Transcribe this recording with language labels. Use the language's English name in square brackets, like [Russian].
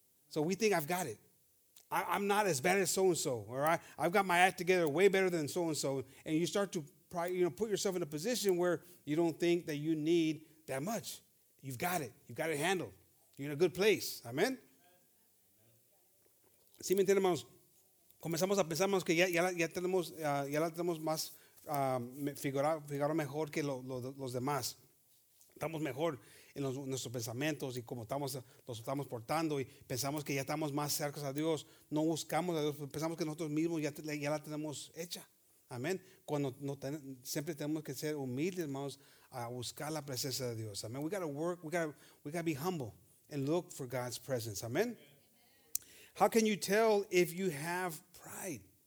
[English] So we think I've got it. I'm not as bad as so-and-so, all right? I've got my act together way better than so-and-so. And you start to put yourself in a position where you don't think that you need that much. You've got it. You've got it handled. You're in a good place. Amén. [Spanish] ¿Sí me entienden, hermanos? Comenzamos a pensar que ya tenemos más figurado mejor que los demás. Estamos mejor en nuestros pensamientos y cómo nos estamos portando y pensamos que ya estamos más cerca a Dios. No buscamos a Dios, pensamos que nosotros mismos ya la tenemos hecha. Amén. Cuando siempre tenemos que ser humildes, hermanos, a buscar la presencia de Dios. Amén. [English] We gotta be humble and look for God's presence. Amén. How can you tell if you have pride?